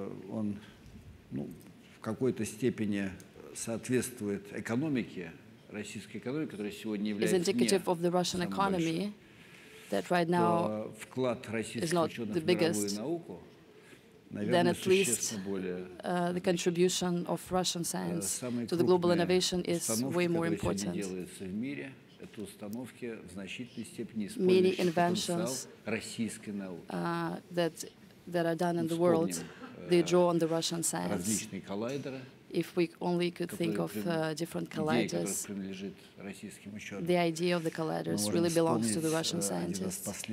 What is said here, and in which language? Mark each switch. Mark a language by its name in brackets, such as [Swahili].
[Russian] он, ну, в какой-то степени соответствует экономике, российской экономике, которая сегодня является не самой большой. [English] Economy, that right now [Russian] вклад российских ученых в мировую науку, наверное, существенно более. [English] The contribution of Russian science to the global innovation is way more important. [Russian] Самые крупные установки, которые сегодня делаются в мире, это установки в значительной степени использующие потенциал российской науки. [English] That are done in the world, they draw on the Russian science. [Russian] Различные коллайдеры. [English] If we only could think of different colliders, the idea of the colliders really belongs to the Russian scientists.